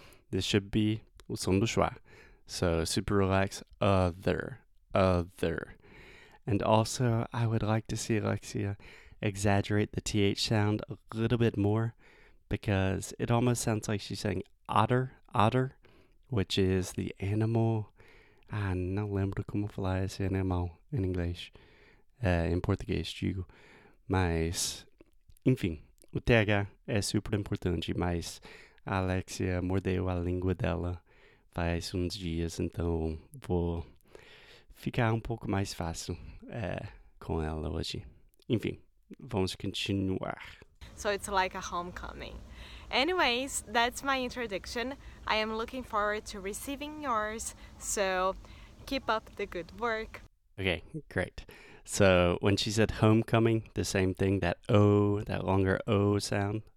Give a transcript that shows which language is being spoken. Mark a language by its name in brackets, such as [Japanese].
[English] This should be [Portuguese] o som do schwa. [English] So super relaxed, other. And also, I would like to see Alexia exaggerate the TH sound a little bit more because it almost sounds like she's saying otter, which is the animal. [Portuguese] Ah, não lembro como falar esse animal em inglês, em português, digo. Mas, enfim, o TH é super importante, mas a Alexia mordeu a língua dela faz uns dias, então vou ficar um pouco mais fácil. Com ela hoje. Enfim, vamos continuar. [English] So it's like a homecoming. Anyways, that's my introduction. I am looking forward to receiving yours. So keep up the good work. Okay, great. So when she said homecoming, the same thing, that O, that longer O sound.